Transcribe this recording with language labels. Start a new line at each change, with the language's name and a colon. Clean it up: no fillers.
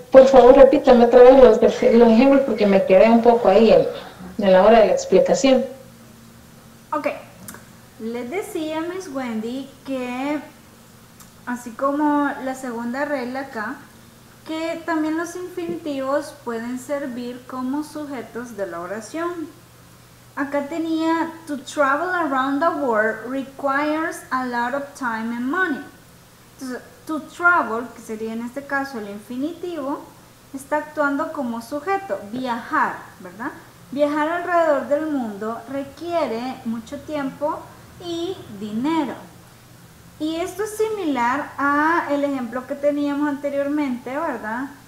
Spanish: Por favor, repítame otra vez los ejemplos porque me quedé un poco ahí en la hora de la explicación. Ok. Les decía, Miss Wendy, que así como la segunda regla acá, que también los infinitivos pueden servir como sujetos de la oración. Acá tenía,
English: to travel around the world requires a lot of time and money.
Spanish: Entonces, to travel, que sería en este caso el infinitivo, está actuando como sujeto, viajar, ¿verdad? Viajar alrededor del mundo requiere mucho tiempo y dinero. Y esto es similar a el ejemplo que teníamos anteriormente, ¿verdad?